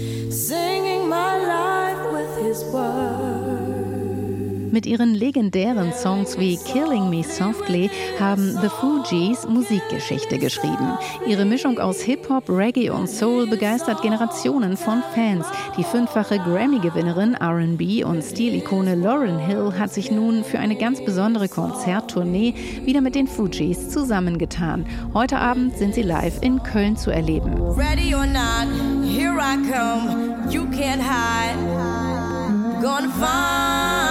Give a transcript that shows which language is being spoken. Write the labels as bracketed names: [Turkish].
[English] Singing my life with his words. [German] Mit ihren legendären Songs wie Killing Me Softly haben The Fugees Musikgeschichte geschrieben. Ihre Mischung aus Hip-Hop, Reggae und Soul begeistert Generationen von Fans. Die fünffache Grammy-Gewinnerin, R&B und Stilikone Lauryn Hill hat sich nun für eine ganz besondere Konzerttournee wieder mit den Fugees zusammengetan. Heute Abend sind sie live in Köln zu erleben. [English] Ready or not, here I come, you can't hide, gonna find.